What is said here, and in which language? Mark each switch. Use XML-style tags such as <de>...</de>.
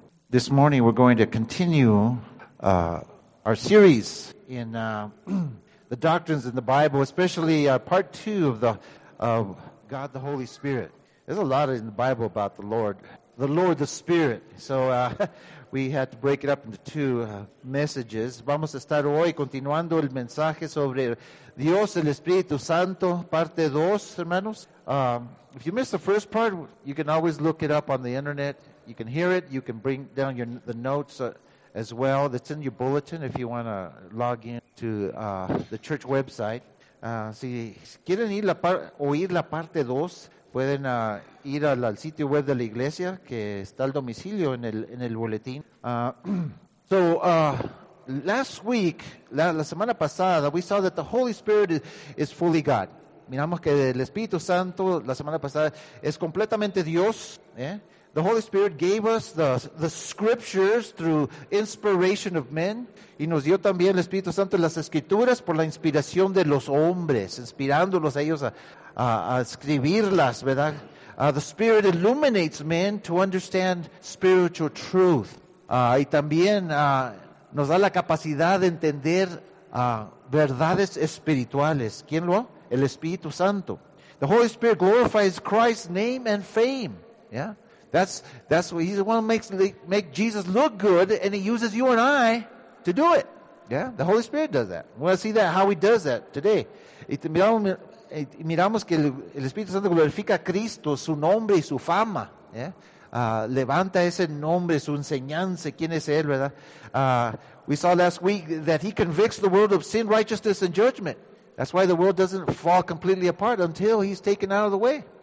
<en>This morning we're going to continue our series in the doctrines in the Bible, especially part two of the of God the Holy Spirit. There's a lot in the Bible about the Lord the Spirit. So we had to break it up into two messages.</en> <es>Vamos a estar hoy continuando el mensaje sobre Dios el Espíritu Santo, parte dos, hermanos.</es> <en>If you missed the first part, you can always look it up on the internet. You can hear it. You can bring down your the notes as well. That's in your bulletin if you want to log in to the church website.</en> <es>Si quieren ir oír la parte dos, pueden ir al sitio web de la iglesia que está al domicilio en el boletín. La semana pasada,</es> <en>we saw that the Holy Spirit is fully God.</en> <es>Miramos que el Espíritu Santo la semana pasada es completamente Dios, ¿eh?</es> <en>The Holy Spirit gave us the scriptures through inspiration of men.</en> <es>Y nos dio también el Espíritu Santo las escrituras por la inspiración de los hombres, inspirándolos a ellos a escribirlas, ¿verdad?</es> <en>The Spirit illuminates men to understand spiritual truth.</en> <es>Y también nos da la capacidad de entender verdades espirituales. ¿Quién lo? El Espíritu Santo.</es> <en>The Holy Spirit glorifies Christ's name and fame. ¿Ya? That's what he's the one who makes Jesus look good, and he uses you and I to do it. Yeah, the Holy Spirit does that. We'll see that how he does that today.</en> <es>Y miramos que el Espíritu Santo glorifica a Cristo, su nombre y su fama. Yeah, levanta ese nombre, su enseñanza, quién es él, verdad?</es> <en>We saw last week that he convicts the world of sin, righteousness, and judgment. That's why the world doesn't fall completely apart until he's taken out of the way.</en>